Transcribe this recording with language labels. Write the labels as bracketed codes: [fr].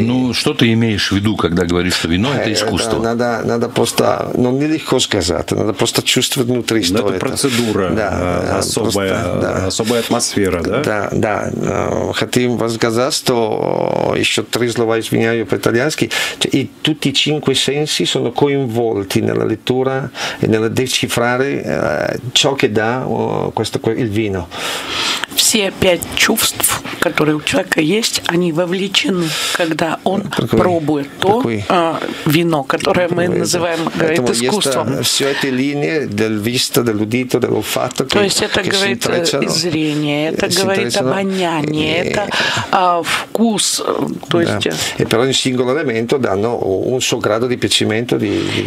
[ru] Ну, что ты имеешь в виду, когда говоришь, что вино – это искусство? Это надо просто, ну, нелегко сказать, надо просто чувствовать внутри, что это. Это процедура, да, особая, просто, да. Особая атмосфера, да? Да, да. Хотим вас сказать, что еще 3 слова изменяю по-итальянски. И тут и 5 сенси [it] sono coinvolti nella lettura e nel decifrare ciò che dà questo il vino. [ru] Все 5 чувств, которые у человека есть, они вовлечены, когда он пробует то вино, которое мы называем, говорит, искусством. Все эти линии [it] del visto, dell'udito, dell'olfatto. [ru] То есть это говорит зрение, это говорит обоняние, это вкус. [it] И per ogni singolo elemento danno un suo grado di piacimento, di